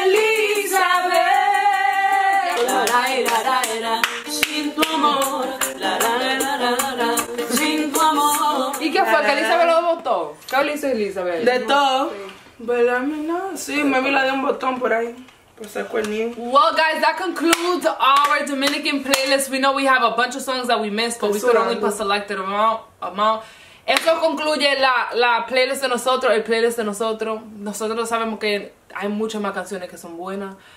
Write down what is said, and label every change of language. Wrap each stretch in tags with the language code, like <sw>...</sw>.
<es>Elizabeth, la la la la la, sin tu amor, la la la la la, la. Sin tu amor. ¿Y qué fue? ¿Que Elizabeth lo votó? ¿Qué le hizo Elizabeth? De todo. ¿Verdad, no? Sí, me vi la de un botón por ahí.</es> <en>Well, guys, that concludes our Dominican playlist. We know we have a bunch of songs that we missed, but we could only put selected amount.</en> <es>Esto concluye la playlist de nosotros, el playlist de nosotros. Nosotros sabemos que hay muchas más canciones que son buenas.</es>